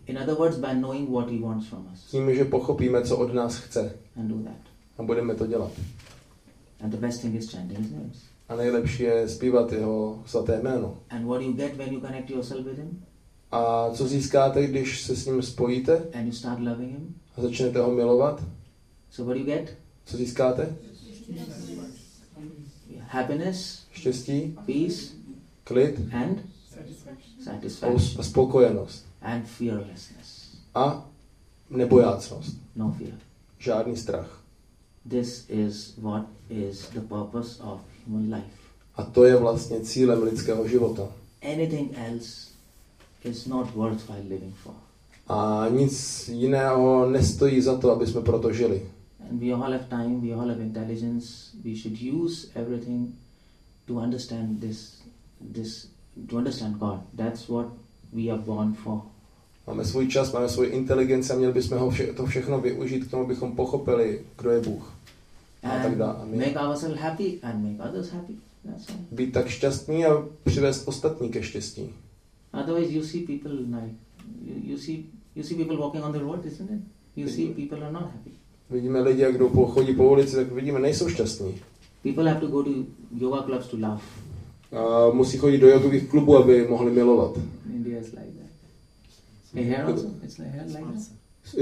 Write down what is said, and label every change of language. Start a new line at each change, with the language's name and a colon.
English: In other words, by knowing what he wants from us.
Czech: Tím, že pochopíme, co od nás chce.
English: And do that.
Czech: A budeme to dělat.
English: And the best thing is chanting his name.
Czech: A nejlepší je zpívat jeho svaté jméno.
English: And what do you get when you connect yourself with him?
Czech: A co získáte, když se s ním spojíte?
English: And you start loving him.
Czech: A začnete ho milovat?
English: So what do you get?
Czech: Co získáte?
English: Happiness.
Czech: Štěstí.
English: Peace.
Czech: Klid.
English: And?
Czech: A spokojenost.
English: And fearlessness.
Czech: A nebojácnost.
English: No fear.
Czech: Žádný strach.
English: This is what is the purpose of human life.
Czech: A to je vlastně cílem lidského života.
English: Anything else is not worthwhile living for.
Czech: A nic jiného nestojí za to, aby jsme proto žili.
English: And we all have time, we all have intelligence, we should use everything to understand this to understand God. That's what we are born for.
Czech: Máme svůj čas, máme svou inteligenci, měli bychom to všechno využít k tomu, abychom pochopili, kdo je Bůh.
English: And make ourselves happy and make others happy. That's all.
Czech: Být tak šťastný a přivést ostatní ke štěstí.
English: Otherwise you see people like you see people walking on the road, isn't it? People are not happy.
Czech: Vidíme lidi, jak jdou chodí po ulici, tak vidíme, nejsou šťastní.
English: People have to go to yoga clubs to laugh.
Czech: A musí chodit do jogových klubů, aby mohli milovat.
English: India is like that. Hey, here also, it's like here like that.